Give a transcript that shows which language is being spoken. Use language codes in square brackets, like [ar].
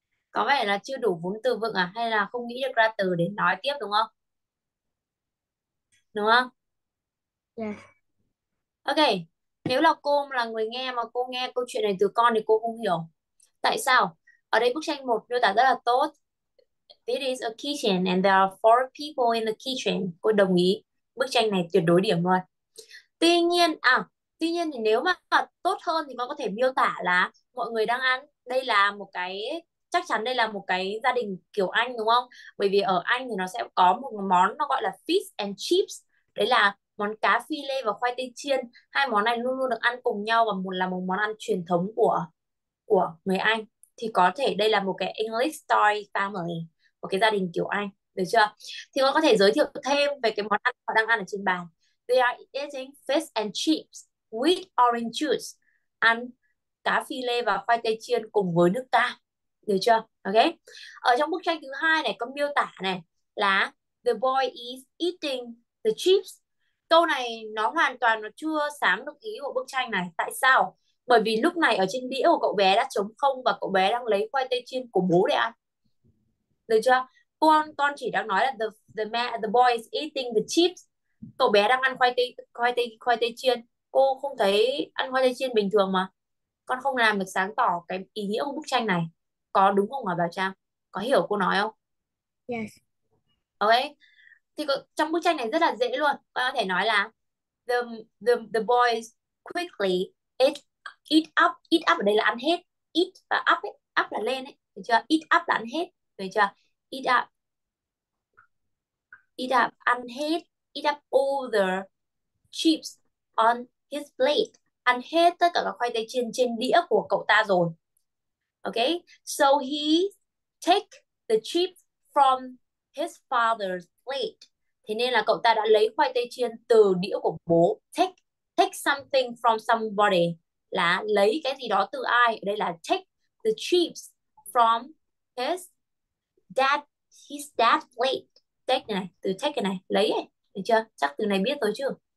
[vi] Có vẻ là chưa đủ vốn từ vựng à? Hay là không nghĩ được ra từ để nói tiếp đúng không? Đúng không? [en] Yes. [vi] Ok, nếu là cô là người nghe mà cô nghe câu chuyện này từ con thì cô không hiểu. Tại sao? Ở đây bức tranh một miêu tả rất là tốt. [en] It is a kitchen and there are four people in the kitchen. [vi] Cô đồng ý. Bức tranh này tuyệt đối điểm luôn. Tuy nhiên thì nếu mà tốt hơn thì con có thể miêu tả là mọi người đang ăn, đây là một cái, chắc chắn đây là một cái gia đình kiểu Anh đúng không? Bởi vì ở Anh thì nó sẽ có một món nó gọi là fish and chips, đấy là món cá phi lê và khoai tây chiên. Hai món này luôn luôn được ăn cùng nhau và một là một món ăn truyền thống của người Anh, thì có thể đây là một cái [en] English style family, [vi] một cái gia đình kiểu Anh, được chưa? Thì con có thể giới thiệu thêm về cái món ăn họ đang ăn ở trên bàn. [en] They are eating fish and chips with orange juice. [vi] Ăn cá phi lê và khoai tây chiên cùng với nước cam. Được chưa? Ok. Ở trong bức tranh thứ hai này có miêu tả này là [en] the boy is eating the chips. [vi] Câu này nó hoàn toàn nó chưa xám được ý của bức tranh này. Tại sao? Bởi vì lúc này ở trên đĩa của cậu bé đã trống không và cậu bé đang lấy khoai tây chiên của bố để ăn. Được chưa? Con chỉ đang nói là [en] the boy is eating the chips. [vi] Cậu bé đang ăn khoai tây chiên. Cô không thấy ăn khoai tây chiên bình thường mà. Con không làm được sáng tỏ cái ý nghĩa của bức tranh này. Có đúng không hả Bảo Trang? Có hiểu cô nói không? Ok. Thì trong bức tranh này rất là dễ luôn. Con có thể nói là [en] the boys quickly eat up [vi] ở đây là ăn hết. Eat và up ấy. Up là lên ấy, được chưa? Eat up là ăn hết, được chưa? [en] Eat up [vi] ăn hết. [en] Eat up all the chips on his plate. [vi] Ăn hết tất cả các khoai tây chiên trên đĩa của cậu ta rồi. [en] Okay, so he take the chips from his father's plate. [vi] Thế nên là cậu ta đã lấy khoai tây chiên từ đĩa của bố. [en] Take something from somebody [vi] là lấy cái gì đó từ ai. Ở đây là [en] take the chips from his dad's plate. [vi] Take này, từ take cái này, lấy ấy. Được chưa? Chắc từ này biết rồi chứ?